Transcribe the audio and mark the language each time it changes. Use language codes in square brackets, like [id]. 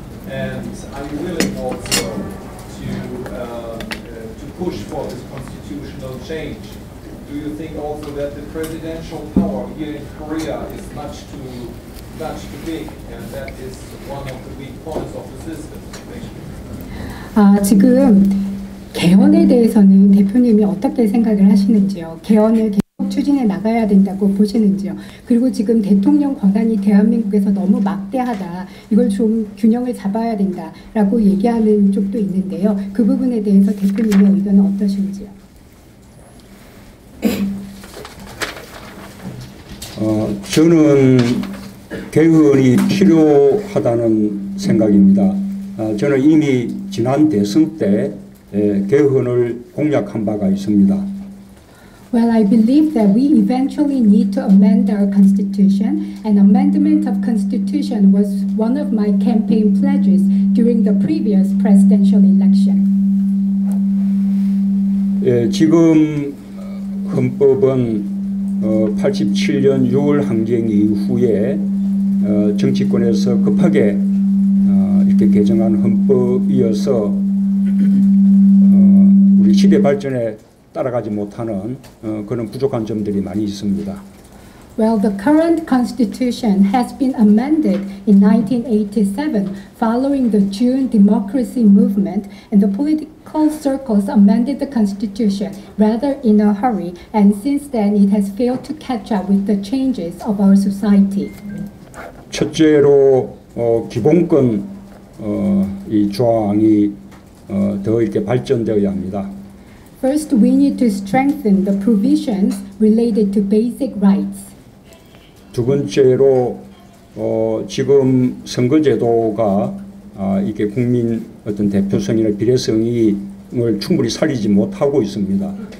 [en] And are you willing also to push for this constitutional change? Do you think also that the presidential power here in Korea is much too big, and that is one of the weak points of the system. [ko] 지금 개헌에 대해서는 대표님이 어떻게 생각을 하시는지요? 개헌을 계속 추진해 나가야 된다고 보시는지요? 그리고 지금 대통령 권한이 대한민국에서 너무 막대하다, 이걸 좀 균형을 잡아야 된다라고 얘기하는 쪽도 있는데요. 그 부분에 대해서 대표님의 의견은 어떠신지요? 저는 개헌이 필요하다는 생각입니다. 저는 이미 지난 대선 때 개헌을 공약한 바가 있습니다. [en] Well, I believe that we eventually need to amend our constitution. An amendment of constitution was one of my campaign pledges during the previous presidential election. [ko] 지금 헌법은 87년 6월 항쟁 이후에 정치권에서 급하게 이렇게 개정한 헌법이어서 우리 시대 발전에 따라가지 못하는 그런 부족한 점들이 많이 있습니다. [en] Well, the current constitution has been amended in 1987 following the June democracy movement, and the political circles amended the constitution rather in a hurry, and since then it has failed to catch up with the changes of our society. [ko] 첫째로 기본권 이 조항이 더 이렇게 발전되어야 합니다. [en] First, we need to strengthen the provisions related to basic rights. [ko] 두 번째로 지금 선거제도가 이게 국민 어떤 대표성이나 비례성을 충분히 살리지 못하고 있습니다.